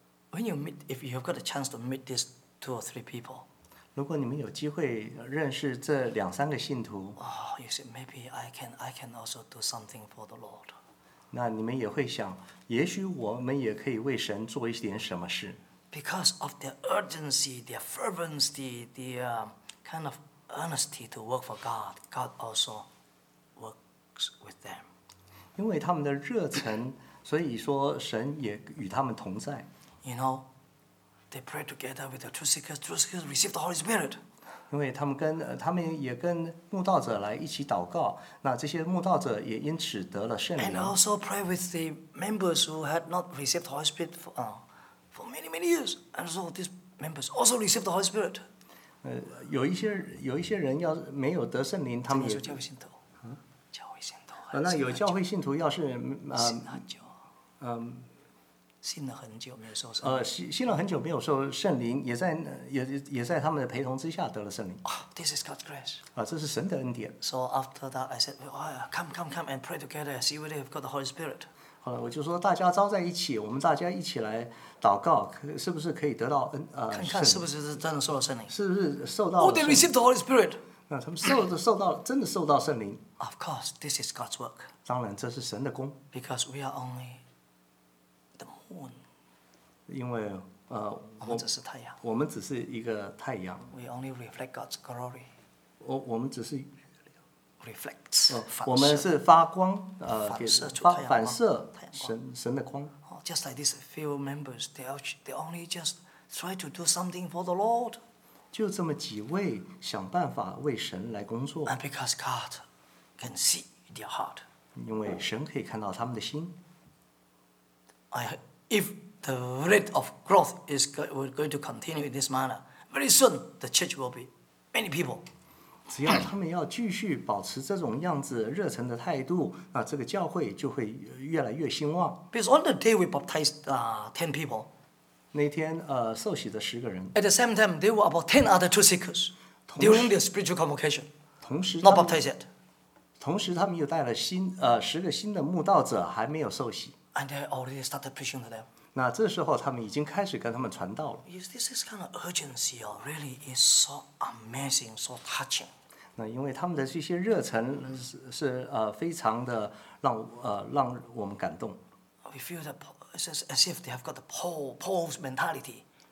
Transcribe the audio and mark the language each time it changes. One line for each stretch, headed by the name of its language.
English: When you meet, if you have got a chance to meet this. Two or three people.
Chinese: 如果你们有机会认识这两三个信徒
English: you say maybe I can also do something for the Lord.
Chinese: 那你们也会想，也许我们也可以为神做一点什么事。
English: Because of their urgency, their fervency, their kind of earnesty to work for God, God also works with them.
Chinese: 因为他们的热忱，所以说神也与他们同在。
English: You know. They pray together with the truth seekers. Truth seekers receive the Holy Spirit.
Chinese: 因为他们也跟慕道者来一起祷告，那这些慕道者也因此得了圣灵。
English: And also pray with the members who had not received the Holy Spirit for many many years. And so these members also received the Holy Spirit.
Chinese: 有一些人要没有得圣灵，他们也教会信徒。教会信徒。那有教会信徒要是信了很久没有受圣灵。信了很久没有受圣灵，也在他们的陪同之下得了圣灵。
English: This is God's grace.
Chinese: 这是神的恩典。
English: So after that, I said, come and pray together, see whether you've got the Holy Spirit.
Chinese: 好了，我就说大家招在一起，我们大家一起来祷告，是不是可以得到看看是不是真的受了圣灵？是不是受到
English: ？Oh, they received the Holy Spirit.
Chinese: 他们真的受到圣灵。
English: Of course, this is God's work.
Chinese: 当然，这是神的工。
English: Because we are only.
Chinese: 因为我们只是太阳，我们只是一个太阳。
English: We only reflect God's glory.
Chinese: 我们只是
English: reflect.
Chinese: 我们是发光，反射神的光。
English: Just like these few members, they only just try to do something for the Lord.
Chinese: 就这么几位想办法为神来工作。
English: And because God can see their heart.
Chinese: 因为神可以看到他们的心。
English: If the rate of growth is going to continue in this manner, very soon the church will be many people.
Chinese: 只要他们要继续保持这种样子热忱的态度，那这个教会就会越来越兴旺。
English: Because on the day we baptized 10 people.
Chinese: 那天受洗的十个人。
English: At the same time, there were about 10 other truth seekers during the spiritual convocation.
Chinese: 同时
English: not baptized yet.
Chinese: 同时他们又带了新十个新的慕道者还没有受洗。
English: And they already started preaching to them.
Chinese: 那这时候他们已经开始跟他们传道了。
English: Yes, this is kind of urgency, or really is so amazing, so touching.
Chinese: 那因为他们的这些热忱是非常的让我们感动。
English: We feel that. It's just as if they have got the Paul's mentality.